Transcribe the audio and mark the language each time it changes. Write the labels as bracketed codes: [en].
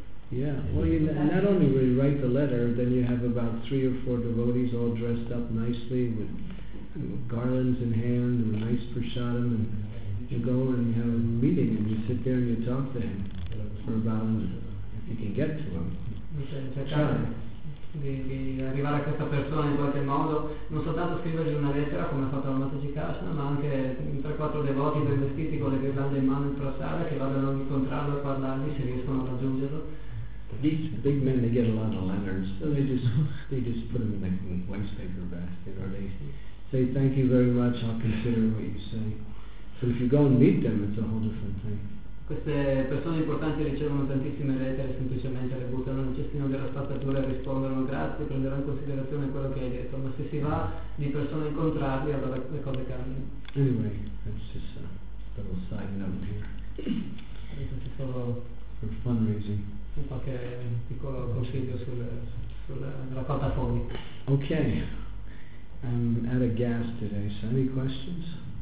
[en] Yeah, well, you not only will you write the letter, then you have about 3 or 4 devotees all dressed up nicely with garlands in hand and a nice prasadam, and you go and you have a meeting and you sit there and you talk to him for about a minute, if you can get to him. [it] Di arrivare a questa persona in qualche modo, non soltanto scrivergli una lettera come ha fatto la Mataji Kashna, ma anche 3-4 devoti ben vestiti con le ghirlande in mano in prasada che vadano a incontrarlo e parlargli se riescono a raggiungerlo. [en] These big men, they get a lot of letters, so they just put them in a waste paper basket, or they say thank you very much, I'll consider what you say. So if you go and meet them, it's a whole different thing. [it] Queste persone importanti ricevono tantissime lettere, semplicemente le buttano nel cestino della spazzatura e rispondono grazie, prenderò in considerazione quello che hai detto, ma se si va di persona a incontrarli, allora le cose cambiano. [en] Anyway, that's just a little side note here. [it] Questo è solo [en] for fundraising. [it] Un qualche piccolo consiglio sulla raccolta fondi. [en] Ok, I'm out of gas today, so any questions?